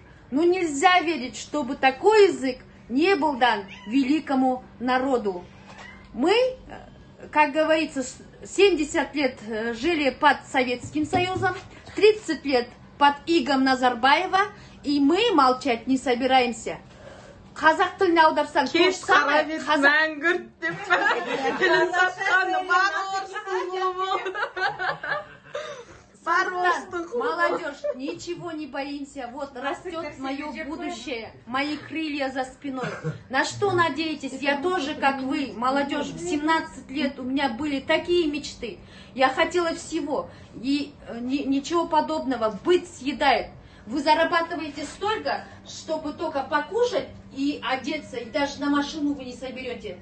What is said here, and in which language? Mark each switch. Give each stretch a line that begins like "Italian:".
Russian: Ну нельзя верить, чтобы такой язык не был дан великому народу. Мы, как говорится, 70 лет жили под Советским Союзом, 30 лет под игом Назарбаева, и мы молчать не собираемся.
Kazakh: қазақ тіліне аударсаң кеш қара бет мәңгүрт деп тілін сатқаны бар орыстың ұлымы бар орыстың ұлымы
Russian: молодежь ничего не боимся вот растет мое будущее мои крылья за спиной на что надеетесь я тоже как вы молодежь в 17 лет у меня были такие мечты я хотела всего и ничего подобного быть съедает вы зарабатываете столько чтобы только покушать и одеться, и даже на машину вы не соберете.